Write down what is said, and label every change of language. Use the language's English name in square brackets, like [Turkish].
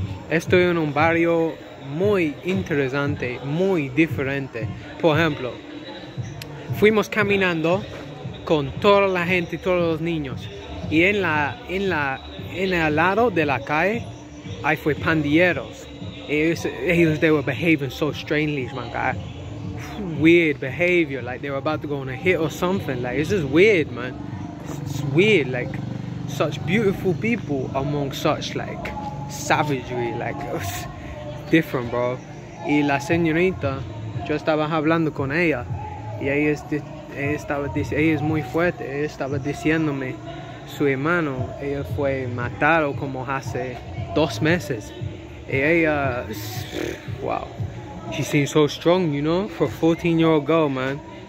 [Spanish] Estoy en un barrio muy interesante, muy diferente. Por ejemplo, fuimos caminando con toda la gente, todos los niños, y en el lado de la calle ahí fue pandilleros. Ellos [English] they were behaving so strangely, man, guy. Weird behavior, like they were about to go on a hit or something. Like, it's just weird, man. It's weird, like, such beautiful people among such, like, savagery, like, different, bro. [Spanish] Y la señorita, yo estaba hablando con ella, y ella es muy fuerte. Ella estaba diciéndome, su hermano, ella fue matado como hace 2 meses. Y ella, [English] wow, she seems so strong, you know, for a 14-year-old girl, man.